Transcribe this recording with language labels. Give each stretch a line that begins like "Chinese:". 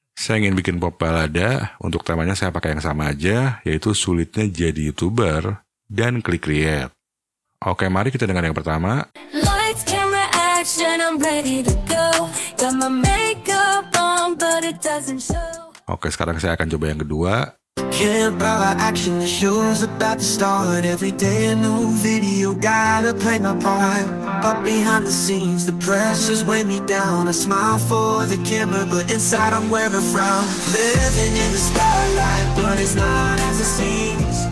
Indonesian: Saya ingin bikin pop balada, untuk temanya saya pakai yang sama aja, yaitu sulitnya jadi YouTuber dan klik create. Oke, mari kita dengar yang pertama.
English: Lights, camera, action, I'm ready to go. Got my makeup on, but it doesn't show.
Indonesian: Oke, sekarang saya akan coba yang kedua.
English: Can't buy action, the show's about to start. Every day a new video, gotta play my part. But behind the scenes, the pressure's weighing me down. I smile for the camera, but inside I'm wearing a frown. Living in the spotlight, but it's not as it seems.